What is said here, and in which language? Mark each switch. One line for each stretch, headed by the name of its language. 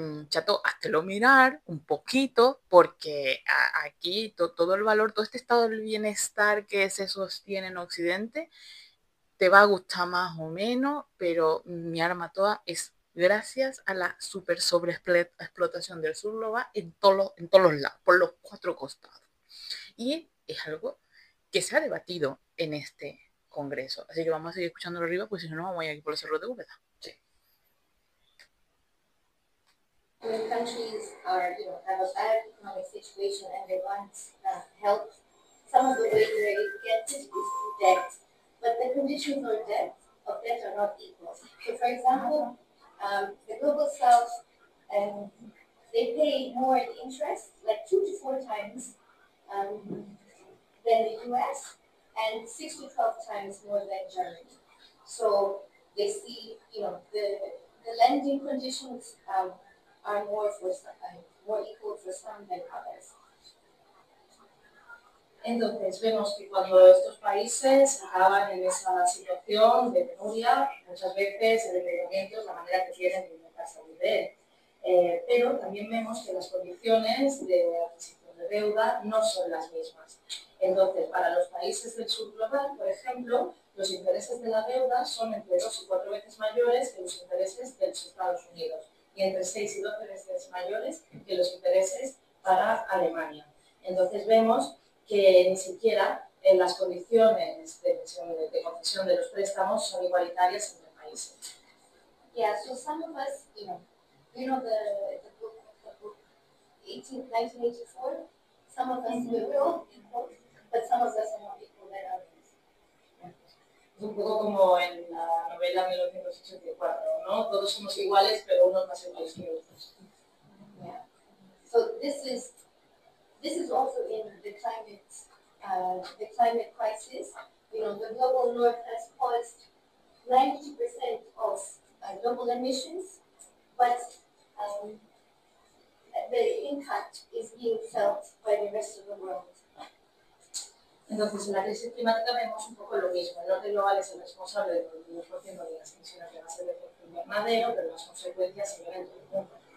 Spanish: chato, háztelo mirar un poquito, porque aquí todo el valor, todo este estado del bienestar que se sostiene en Occidente, te va a gustar más o menos, pero mi arma toda es gracias a la super sobre explotación del sur global en todos lados, por los cuatro costados. Y es algo que se ha debatido en este congreso. Así que vamos a seguir escuchándolo arriba, pues si no, vamos a ir aquí por el cerro de Úbeda.
English: When countries are, have a bad economic situation and they want help, some of the ways they get it is through debt. But the conditions of debt are not equal. So for example, the Global South, they pay more in interest, like 2 to 4 times than the US, and 6 to 12 times more than Germany. So they see, the lending conditions are more equal for some than others.
Spanish: Entonces vemos que cuando estos países acaban en esa situación de penuria, muchas veces el empeoramiento es la manera que tienen de intentar salir de él. Pero también vemos que las condiciones de adquisición de deuda no son las mismas. Entonces, para los países del sur global, por ejemplo, los intereses de la deuda son entre 2 y 4 veces mayores que los intereses de los Estados Unidos, y entre 6 y 12 veces mayores que los intereses para Alemania. Entonces vemos que ni siquiera las condiciones de concesión de los préstamos son igualitarias entre países.
English: Yeah, so some of us, the book, 1984, some of us but some of us are not equal than others.
Spanish: Es un poco como en la novela 1984, ¿no? Todos somos iguales, pero unos más iguales que otros.
English: Yeah. So this is also in the climate crisis. The global north has caused 90% of global emissions, but the impact is being felt by the rest of the world.
Spanish: Entonces, en la crisis climática vemos un poco lo mismo. El norte global es el responsable del 92% de las emisiones de gases de efecto invernadero, pero las consecuencias se ven en todo el mundo.